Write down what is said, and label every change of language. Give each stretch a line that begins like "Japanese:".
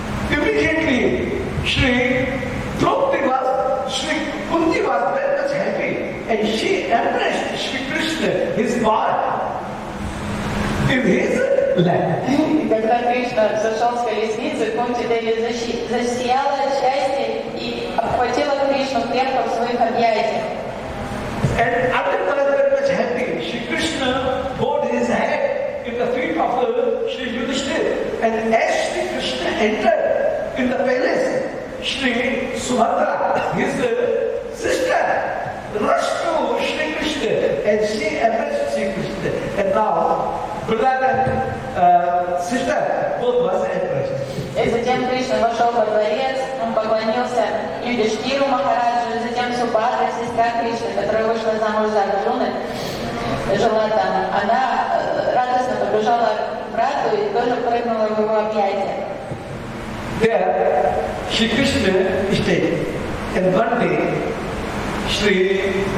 English: Immediately, Shri Draupadi was, Shri Kunti was very much happy, and she embraced Shri Krishna, his father, in his lap.
Russian: Когда Кришна сошел с колесницы, Кунти Деви засияла от счастья и обхватила Кришну крепко в своих объятиях.
English: And Achyuta was very much happy. Shri Krishna bowed his head in the feet of Shri Yudhishthir, and as Shri Krishna entered in the palace, Shri Subhadra, his sister, rushed to Shri Krishna and she embraced Shri Krishna. And now, brother and sister, both was embraced.
Russian: И затем Кришна вошел во дворец, он поклонился Юдиштиру Махараджу, затем Субхадра, сестра Кришны, которая вышла замуж за Арджуны, жила там. Она радостно побежала к брату и тоже прыгнула в его объятия.
English: There, Shri Krishna stayed, and one day, Shri